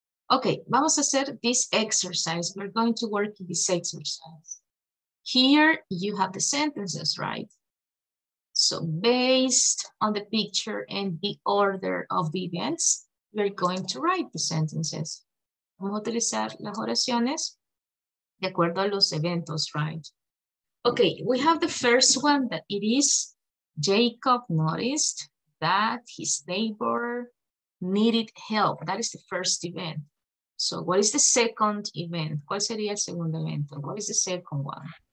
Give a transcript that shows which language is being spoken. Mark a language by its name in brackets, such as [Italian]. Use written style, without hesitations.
[English] Ok, [Spanish] vamos a hacer [English] this exercise. We're going to work in this exercise. Here you have the sentences, right? So based on the picture and the order of the events, we're going to write the sentences. [Spanish] Vamos a utilizar las oraciones de acuerdo a los eventos, right? [English] Okay, we have the first one that it is, Jacob noticed that his neighbor needed help. That is the first event. So what is the second event? [Spanish] ¿Cuál sería el segundo evento? [English] What is the second one?